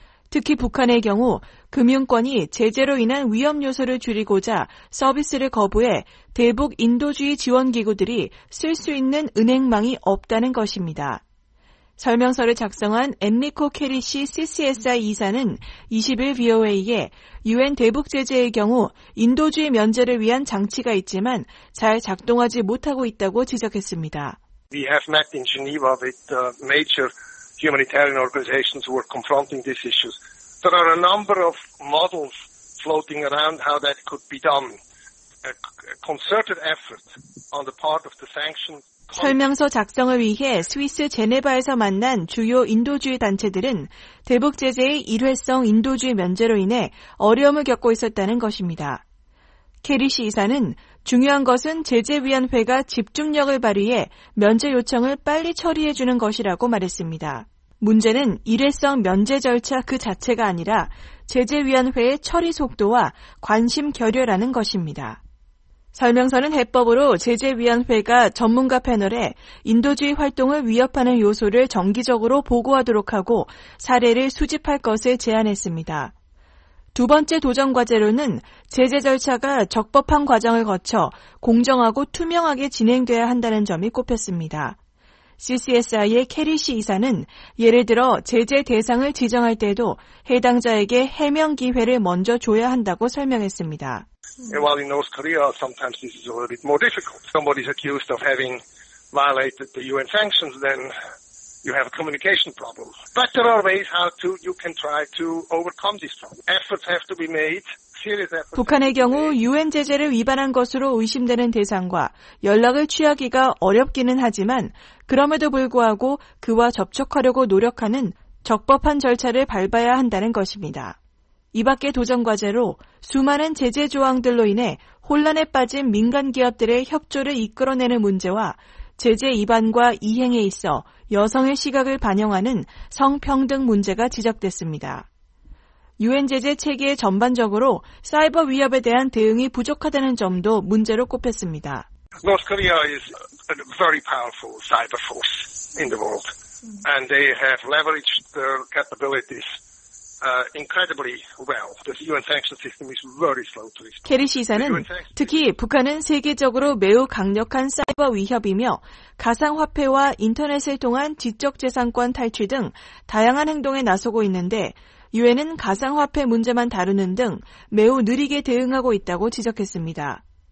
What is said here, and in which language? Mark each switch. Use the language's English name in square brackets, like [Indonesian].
[Korean] 특히 북한의 경우 금융권이 제재로 인한 위험 요소를 줄이고자 서비스를 거부해 대북 인도주의 지원기구들이 쓸 수 있는 은행망이 없다는 것입니다. 설명서를 작성한 엔리코 캐리 씨 CCSI 이사는 20일 VOA에 유엔 대북 제재의 경우 인도주의 면제를 위한 장치가 있지만 잘 작동하지 못하고 있다고 지적했습니다. [English] We have met in Geneva with the major humanitarian organizations who are confronting these issues. There are a number of models floating around how that could be done. A concerted effort on the part of the sanctioned [Korean] 설명서 작성을 위해 스위스 제네바에서 만난 주요 인도주의 단체들은 대북 제재의 일회성 인도주의 면제로 인해 어려움을 겪고 있었다는 것입니다. 캐리 씨 이사는 중요한 것은 제재위원회가 집중력을 발휘해 면제 요청을 빨리 처리해주는 것이라고 말했습니다. 문제는 일회성 면제 절차 그 자체가 아니라 제재위원회의 처리 속도와 관심 결여라는 것입니다. 설명서는 해법으로 제재위원회가 전문가 패널에 인도주의 활동을 위협하는 요소를 정기적으로 보고하도록 하고 사례를 수집할 것을 제안했습니다. 두 번째 도전 과제로는 제재 절차가 적법한 과정을 거쳐 공정하고 투명하게 진행돼야 한다는 점이 꼽혔습니다. CCSI의 캐리 씨 이사는 예를 들어 제재 대상을 지정할 때도 해당자에게 해명 기회를 먼저 줘야 한다고 설명했습니다. [English] While in North Korea, sometimes this is a little bit more difficult. Somebody is accused of having violated the UN sanctions, then you have a communication problem. But there are ways how to, you can try to overcome this problem. Efforts have to be made. [Korean] 북한의 경우 유엔 제재를 위반한 것으로 의심되는 대상과 연락을 취하기가 어렵기는 하지만 그럼에도 불구하고 그와 접촉하려고 노력하는 적법한 절차를 밟아야 한다는 것입니다. 이 밖의 도전 과제로 수많은 제재 조항들로 인해 혼란에 빠진 민간 기업들의 협조를 이끌어내는 문제와 제재 위반과 이행에 있어 여성의 시각을 반영하는 성평등 문제가 지적됐습니다. 유엔 제재 체계의 전반적으로 사이버 위협에 대한 대응이 부족하다는 점도 문제로 꼽혔습니다. [English] North Korea is a very powerful cyber force in the world, and they have leveraged their capabilities incredibly well. The UN sanction system is very slow to respond. [Korean] 캐리 시사는 특히 북한은 세계적으로 매우 강력한 사이버 위협이며 가상화폐와 인터넷을 통한 지적 재산권 탈취 등 다양한 행동에 나서고 있는데. 유엔은 가상화폐 문제만 다루는 등 매우 느리게 대응하고 있다고 지적했습니다.